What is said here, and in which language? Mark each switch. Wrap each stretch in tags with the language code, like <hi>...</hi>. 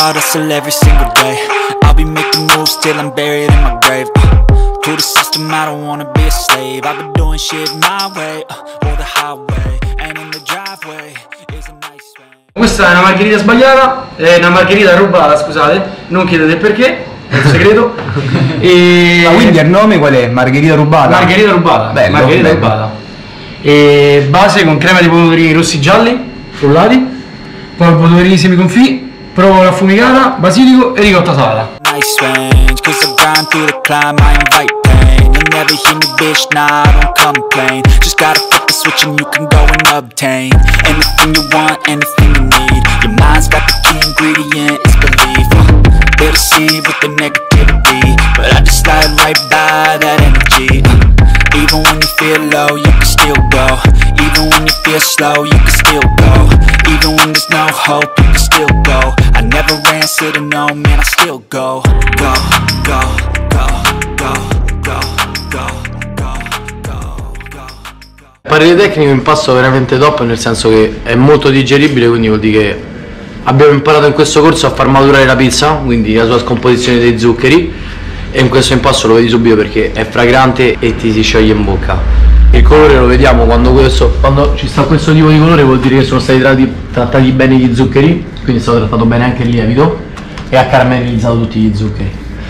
<en>Hustle every single day. I'll be making moves till I'm buried in my grave. To the system, I don't wanna be a slave. I've been doing shit my way, or the highway. And in the driveway is a nice way.</en> <it>Questa è una margherita sbagliata, è una margherita rubata, scusate. Non chiedete perché, è un segreto. E... Ma quindi il nome qual è? Margherita rubata? Margherita rubata. Bello, margherita bello. Rubata. E base con crema di pomodorini rossi gialli, frullati. Poi pomodorini semi confì. Provo la affumicata, basilico e ricotta salata.</it> <en>Nice range, cause I grind through the climb, I invite pain. You never hear me, bitch, nah, I don't complain. Just gotta flip the switch and you can go and obtain anything you want, anything you need. Your mind's got the key ingredient, it's belief. They'll see with the negativity, but I just slide right by that energy. Even when you feel low, you can still go. Even when you feel slow, you can still go. Even when there's no hope, you can still go. I never answer to no, man, I still go. Go, go, go, go, go, go, go, go, go, go.</en> <it>Parere tecnico, impasto veramente top, nel senso che è molto digeribile, quindi vuol dire che abbiamo imparato in questo corso a far maturare la pizza, quindi la sua scomposizione dei zuccheri. E in questo impasto lo vedi subito perché è fragrante e ti si scioglie in bocca. Il colore lo vediamo quando ci sta questo tipo di colore, vuol dire che sono stati trattati bene gli zuccheri, quindi è stato trattato bene anche il lievito e ha caramellizzato tutti gli zuccheri.</it>